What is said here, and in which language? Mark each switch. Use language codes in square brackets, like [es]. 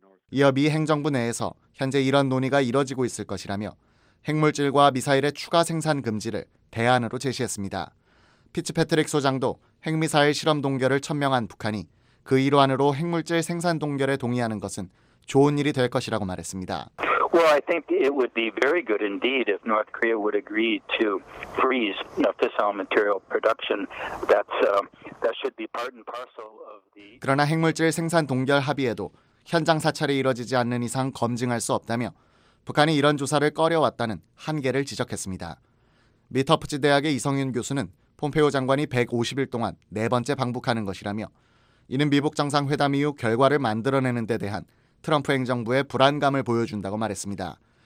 [ko] 이어 미 행정부 내에서 현재 이런 논의가 이뤄지고 있을 것이라며 핵물질과 미사일의 추가 생산 금지를 대안으로 제시했습니다. 피츠패트릭 소장도 핵미사일 실험 동결을 천명한 북한이 그 일환으로 핵물질 생산 동결에 동의하는 것은 좋은 일이 될 것이라고 말했습니다. [en] Well, I think it would be very good indeed if North Korea would agree to freeze fissile material production. That should be part and parcel of the. [ko] 그러나 핵물질 생산 동결 합의에도 현장 사찰이 이뤄지지 않는 이상 검증할 수 없다며 북한이 이런 조사를 꺼려왔다는 한계를 지적했습니다. 미터프치 대학의 이성윤 교수는 폼페오 장관이 150일 동안 네 번째 방북하는 것이라며 이는 미북 정상회담 이후 결과를 만들어내는 데 대한 트럼프 행정부의 불안감을 보여준다고 말했습니다.